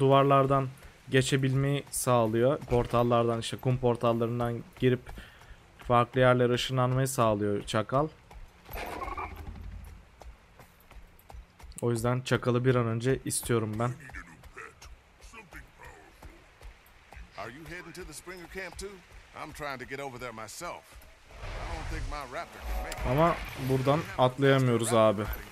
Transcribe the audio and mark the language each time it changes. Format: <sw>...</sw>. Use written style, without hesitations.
<tr>Duvarlardan geçebilmeyi sağlıyor. Portallardan işte kum portallarından girip farklı yerlere ışınlanmayı sağlıyor çakal. O yüzden çakalı bir an önce istiyorum ben.</tr> <en>Are you heading to the Springer camp too? I'm trying to get over there myself. I don't think my raptor can make it.</en> <tr>Ama buradan atlayamıyoruz abi.</tr>